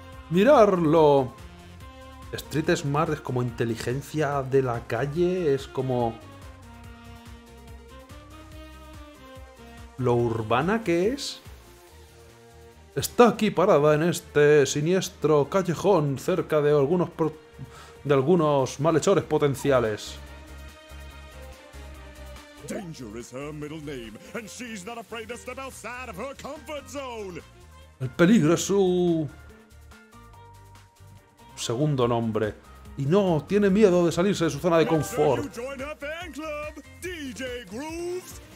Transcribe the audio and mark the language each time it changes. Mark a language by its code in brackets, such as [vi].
[es] ¡Mirarlo! Street Smart es como inteligencia de la calle, es como... ¿lo urbana que es? Está aquí parada en este siniestro callejón cerca de algunos... de algunos malhechores potenciales. [en] Danger is her middle name, and she's not afraid to step outside of her comfort zone. [es] El peligro es su segundo nombre. Y no tiene miedo de salirse de su zona de confort. [en] Make sure you join her fan club, DJ Grooves.